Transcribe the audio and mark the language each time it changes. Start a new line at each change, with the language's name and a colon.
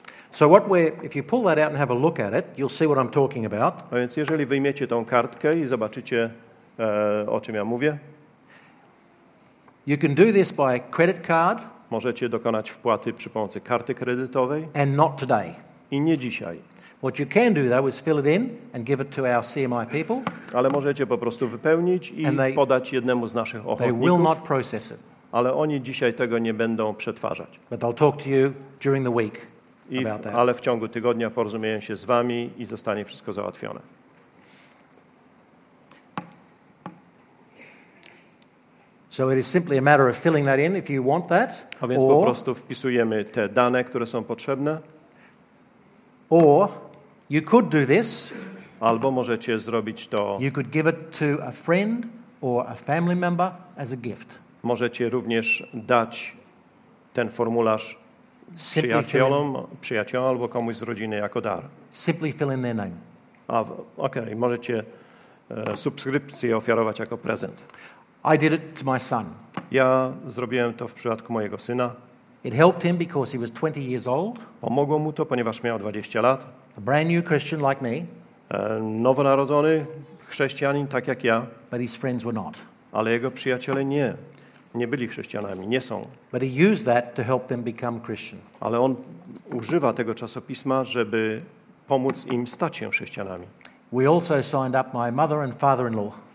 English: So what we're, if you pull that out and have a look at it, you'll see what I'm talking about.
Polish: A więc jeżeli wyjmiecie tą kartkę i zobaczycie, o czym ja mówię.
English: You can do this by credit card.
Polish: Możecie dokonać wpłaty przy pomocy karty kredytowej.
English: And not today.
Polish: I nie dzisiaj.
English: What you can do though is fill it in and give it to our CMI people.
Polish: Ale możecie po prostu wypełnić i podać jednemu z naszych ochotników.
English: They will not process it.
Polish: Ale oni dzisiaj tego nie będą przetwarzać.
English: But they'll talk to you during the week.
Polish: Ale w ciągu tygodnia porozumieją się z wami i zostanie wszystko załatwione.
English: So it is simply a matter of filling that in if you want that.
Polish: A więc po prostu wpisujemy te dane, które są potrzebne.
English: Or you could do this.
Polish: Albo możecie zrobić to.
English: You could give it to a friend or a family member as a gift.
Polish: Możecie również dać ten formularz przyjacielom, przyjaciołom albo komuś z rodziny jako dar.
English: Simply fill in their name.
Polish: Okej, możecie subskrypcję ofiarować jako prezent.
English: I did it to my son.
Polish: Ja zrobiłem to w przypadku mojego syna.
English: It helped him because he was 20 years old.
Polish: Pomogło mu to, ponieważ miał 20 lat.
English: A brand new Christian like me.
Polish: Nowonarodzony chrześcijanin tak jak ja.
English: But his friends were not.
Polish: Ale jego przyjaciele nie byli chrześcijanami, nie są.
English: But he used that to help them become Christian.
Polish: Ale on używa tego czasopisma, żeby pomóc im stać się chrześcijanami.
English: We also signed up my mother and father-in-law.